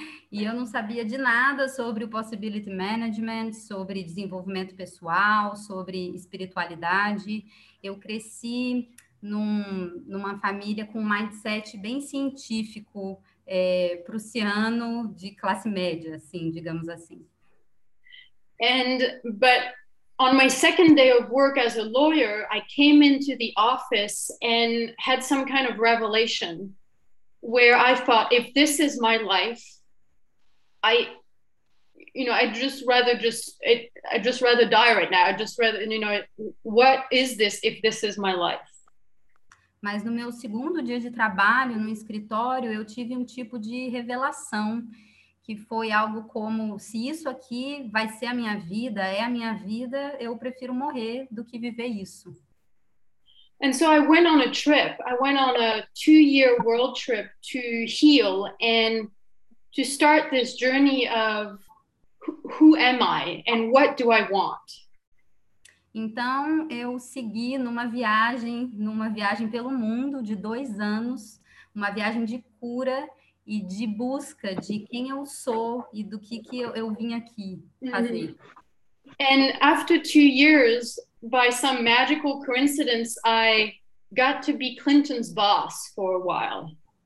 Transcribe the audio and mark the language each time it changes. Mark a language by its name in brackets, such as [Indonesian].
[Portuguese] E eu não sabia de nada sobre o possibility management, sobre desenvolvimento pessoal, sobre espiritualidade. Eu cresci numa família com um mindset bem científico, prussiano, de classe média, assim, digamos assim. [English] But on my second day of work as a lawyer, I came into the office and had some kind of revelation where I thought, if this is my life, I'd just rather die right now. I'd just rather, what is this if this is my life? [Portuguese] Mas no meu segundo dia de trabalho no escritório, eu tive um tipo de revelação, que foi algo como: se isso aqui vai ser a minha vida, é a minha vida, eu prefiro morrer do que viver isso. [English] And so I went on a trip. I went on a 2-year world trip to heal and to start this journey of who am I and what do I want? [Portuguese] Então, eu segui numa viagem pelo mundo de 2 anos, uma viagem de cura e de busca de quem eu sou e do que eu vim aqui fazer. [English] And after 2 years, by some magical coincidence, I got to be Clinton's boss for a while.